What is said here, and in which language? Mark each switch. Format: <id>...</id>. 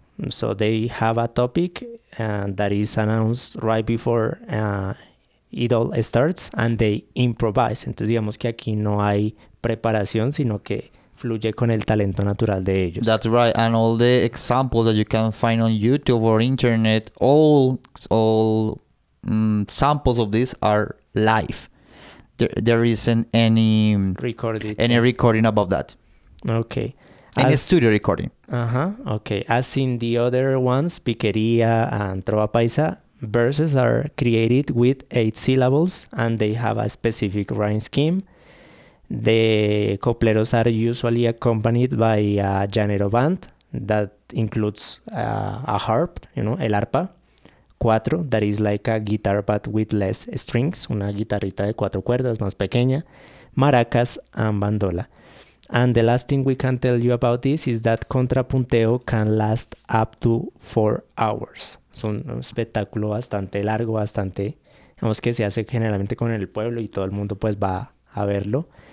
<en>So they have a topic that is announced right before it all starts and they improvise.</en> <es>Entonces digamos que aquí no hay preparación, sino que fluye con el talento natural de ellos.</es> <en>That's right. And all the examples that you can find on YouTube or internet, all samples of this are live. There isn't any recorded. Any recording above that. Okay. In a studio recording. Uh-huh. Okay. As in the other ones, Piquería and Trova Paisa, verses are created with 8 syllables and they have a specific rhyme scheme. The copleros are usually accompanied by a llanero band that includes a harp, you know, el arpa. Cuatro, that is like a guitar but with less strings,</en> <es>una guitarrita de cuatro cuerdas más pequeña,</es> <en>maracas and bandola. And the last thing we can tell you about this is that contrapunteo can last up to 4 hours.</en> <es>Es un espectáculo bastante largo, bastante, digamos que se hace generalmente con el pueblo y todo el mundo pues va a verlo.</es>